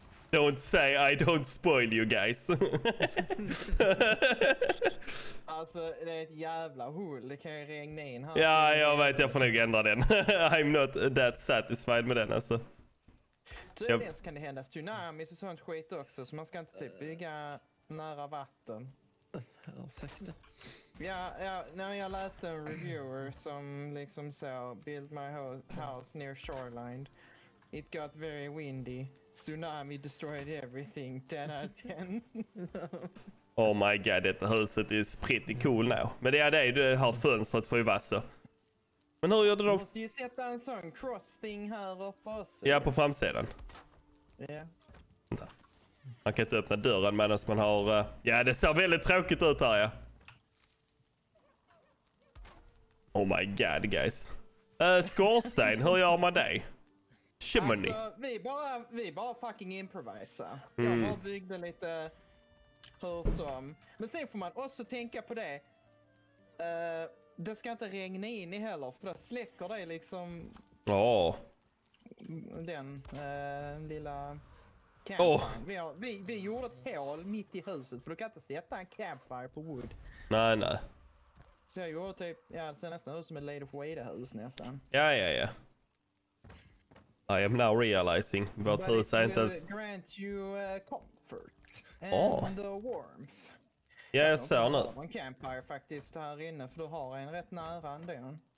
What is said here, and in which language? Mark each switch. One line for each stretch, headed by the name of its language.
English: Don't say I don't spoil you guys.
Swedish: Alltså, det är ett jävla hull. Det kan ju regna in här. Ja, jag vet. Jag får nog ändra den.
English: I'm not that satisfied
Swedish: med den, alltså. Tydligen så kan det hända tsunamis och sånt skit också. Så man ska inte typ bygga nära vatten. Ursäkta. Ja, när jag läste en reviewer som liksom sa
English: build my house near shoreline. It got very windy. Tsunami destroyed everything, 10 out of 10. Oh my god,
Swedish: detta huset
English: is pretty cool now.
Swedish: Men det är det, det här fönstret får ju vara så. Men hur gör du då? Måste ju sätta en sån cross thing här uppe också. Ja, på framsidan. Ja.
English: Yeah.
Swedish: Man kan inte öppna dörren medan man har... Ja, det ser väldigt tråkigt ut här, ja.
English: Oh my god, guys.
Swedish: Skorstein, hur gör man det?
English: Chimney.
Swedish: Alltså, vi bara fucking improvisa. Jag har byggt lite hur som. Men sen får man också tänka på det. Det ska inte regna in i heller, för då släcker det liksom... Ja. Oh. Den lilla campfire. Oh. Vi gjorde ett hål mitt i huset, för du kan inte sätta en campfire på wood. Nej. Så jag gjorde typ, ja, det ser nästan ut som ett Lady of Waiter-hus nästan. Ja, ja, ja.
English: I am now realizing
Swedish: vårt hus är inte ens...
English: grant you comfort and warmth.
Swedish: Ja, jag ser nu. En campfire faktiskt här inne, för du har en rätt nära ändan.